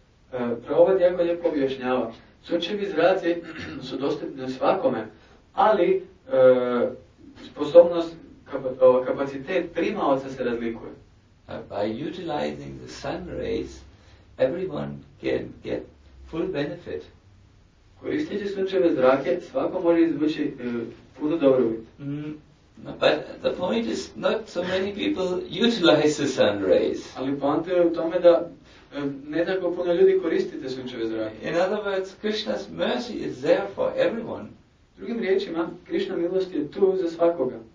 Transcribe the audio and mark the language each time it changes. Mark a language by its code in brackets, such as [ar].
[bs] Prabhupada jako lijepo objašnjava, sunčevi zraci su dostupni svakome, ali sposobnost, kapacitet primaoca se razlikuje. [en] By utilizing the sun rays, everyone can get full benefit. [bs] Koristeći sunčeve zrake, svako može izvući puno dobrobit. [en] But the point is, not so many people utilize the sun rays. [bs] Ali poanta je u tome da ne tako puno ljudi koristite sunčeve zrake. [en] In other words, Krishna's mercy is there for everyone. [bs] Drugim riječima, Krishna milost je tu za svakoga.